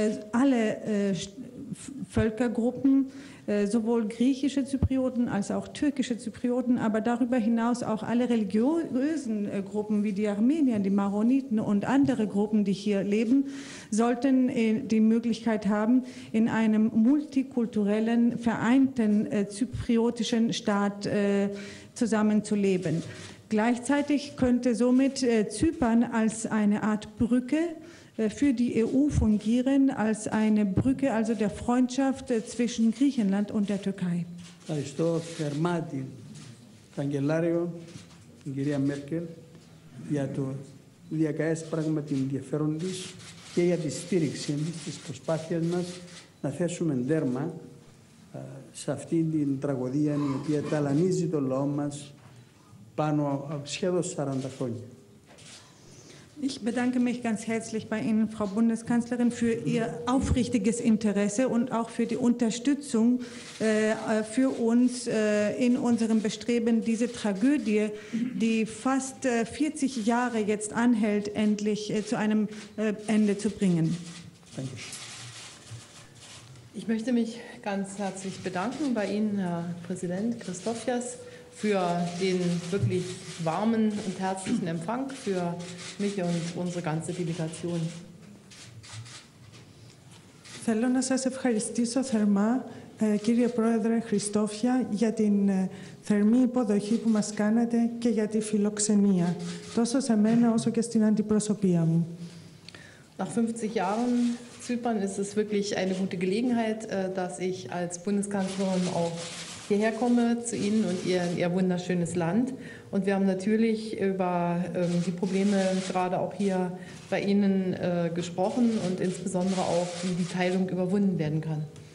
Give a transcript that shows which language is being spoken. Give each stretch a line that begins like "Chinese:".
German: Alle Völkergruppen, sowohl griechische Zyprioten als auch türkische Zyprioten, aber darüber hinaus auch alle religiösen Gruppen wie die Armenier, die Maroniten und andere Gruppen, die hier leben, sollten die Möglichkeit haben, in einem multikulturellen, vereinten zypriotischen Staat zusammenzuleben. Gleichzeitig könnte somit Zypern als eine Art Brücke für die EU fungieren, als eine Brücke also der Freundschaft zwischen Griechenland und der Türkei.
Greek: Ευχαριστώ θερμά την Καγκελάριο, την κυρία Μέρκελ, για το διακαές πράγμα την ενδιαφέρον της και για τη στήριξή της, της προσπάθειας μας να θέσουμε τέρμα σε αυτή την τραγωδία η οποία ταλανίζει το λαό μας πάνω σχεδόν 40 χρόνια.
German: Ich bedanke mich ganz herzlich bei Ihnen, Frau Bundeskanzlerin, für Ihr aufrichtiges Interesse und auch für die Unterstützung für uns in unserem Bestreben, diese Tragödie, die fast 40 Jahre jetzt anhält, endlich zu einem Ende zu bringen. Danke. Ich möchte mich ganz herzlich bedanken bei Ihnen, Herr Präsident Christofias, für den wirklich warmen und herzlichen Empfang für mich und unsere ganze Delegation.
Greek: Θέλω να σας ευχαριστήσω θερμά, κύριε Πρόεδρε Χριστόφια, για την θερμή υποδοχή που μας κάνατε και για τη φιλοξενία, τόσο σε μένα όσο και στην αντιπροσωπεία μου.
German: Nach 50 Jahren Zypern ist es wirklich eine gute Gelegenheit, dass ich als Bundeskanzlerin auch hierher komme zu Ihnen und Ihr wunderschönes Land. Und wir haben natürlich über die Probleme gerade auch hier bei Ihnen gesprochen und insbesondere auch, wie die Teilung überwunden werden kann.